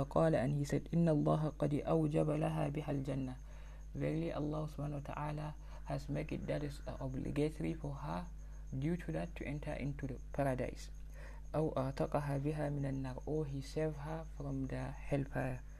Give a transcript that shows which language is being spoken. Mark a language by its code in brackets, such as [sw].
[ar] فقال [en] and he said [ar] إن الله قد أوجب لها بها الجنة. [en] Verily Allah subhanahu wa ta'ala has made it that is obligatory for her due to that to enter into the paradise. [ar] أو أعتقها بها من النار [en] or he saved her from the hellfire.